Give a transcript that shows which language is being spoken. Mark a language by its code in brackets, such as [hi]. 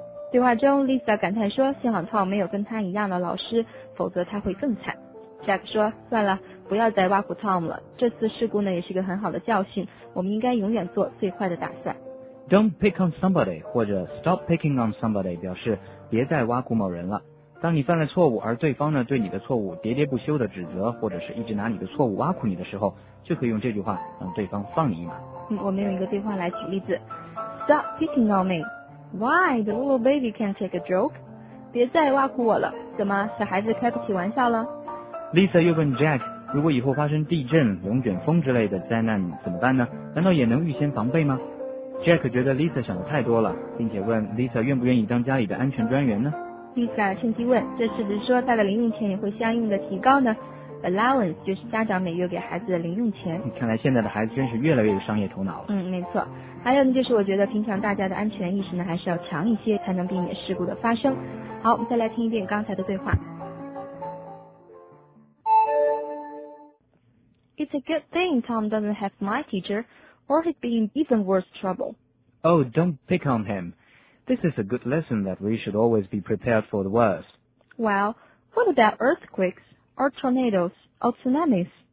[zh] 对话中 ，Lisa 感叹说：“幸好 Tom 没有跟他一样的老师，否则他会更惨。” Jack 说：“算了，不要再挖苦 Tom 了。这次事故呢，也是个很好的教训。我们应该永远做最坏的打算。” [en] Don't pick on somebody [zh] 或者 [en] stop picking on somebody [zh] 表示别再挖苦某人了。当你犯了错误，而对方呢对你的错误喋喋不休的指责，或者是一直拿你的错误挖苦你的时候，就可以用这句话让对方放你一马。我们用一个对话来举例子 ： [en] Stop picking on me。 Why? The little baby can't take a joke. [zh] 别再挖苦我了。怎么，小孩子开不起玩笑了？ Lisa 又问 Jack， 如果以后发生地震、龙卷风之类的灾难怎么办呢？难道也能预先防备吗？Jack 觉得 Lisa 想得太多了，并且问 Lisa 愿不愿意当家里的安全专员呢？ Lisa 趁机问，这是不是说他的零用钱也会相应的提高呢？ Allowance 就是家长每月给孩子的零用钱。看来现在的孩子真是越来越有商业头脑了。没错。还有呢，就是我觉得平常大家的安全意识呢还是要强一些，才能避免事故的发生。好，我们再来听一遍刚才的对话。 [en] It's a good thing Tom doesn't have my teacher, or he'd be in even worse trouble. Oh, don't pick on him. This is a good lesson that we should always be prepared for the worst. Well, what about earthquakes, or tornadoes, or tsunamis?